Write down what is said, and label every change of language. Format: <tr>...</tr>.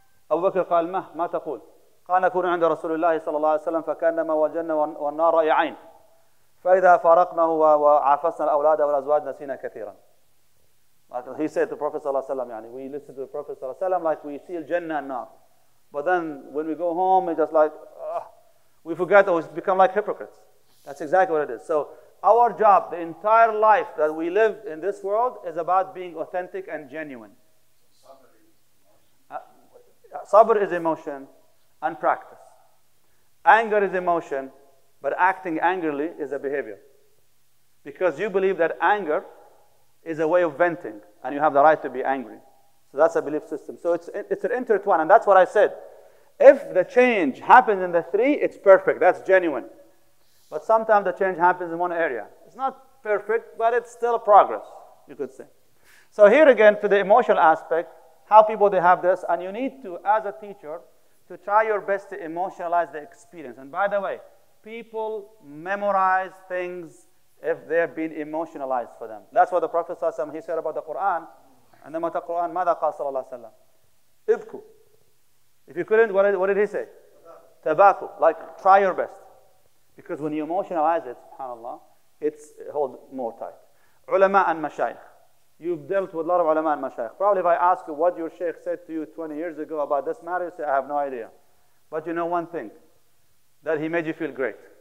<ar>أبو بكر قال ما تقول؟ قال نكون عند رسول الله صلى الله عليه وسلم فكأنما والجنة والنار رائعين. فإذا فارقناه وعافسنا الأولاد والأزواج نسينا كثيرا.</ar> <en>He said to Prophet صلى الله عليه وسلم, يعني, we listen to the Prophet صلى الله عليه وسلم like we see الجنة and النار. But then when we go home, it's just like, we forget, or it's become like hypocrites. That's exactly what it is. So our job, the entire life that we live in this world, is about being authentic and genuine. Sabr is emotion and practice. Anger is emotion, but acting angrily is a behavior. Because you believe that anger is a way of venting, and you have the right to be angry. So that's a belief system. So it's an intertwined, and that's what I said. If the change happens in the three, it's perfect. That's genuine. But sometimes the change happens in one area. It's not perfect, but it's still a progress, you could say. So here again, to the emotional aspect, how people, they have this, and you need to, as a teacher, to try your best to emotionalize the experience. And by the way, people memorize things if they've been emotionalized for them. That's what the Prophet ﷺ, he said about the Qur'an.</en> <ar>عندما تقرأ القرآن ماذا قال صلى الله عليه وسلم؟ ابكوا.</ar> <en>If you couldn't, what did he say? تباكوا. Like, try your best. Because when you emotionalize it, subhanAllah, it's hold more tight. Ulama and mashayikh. You've dealt with a lot of ulama and mashayikh. Probably if I ask you what your sheikh said to you 20 years ago about this matter, you say, I have no idea. But you know one thing, that he made you feel great.</en>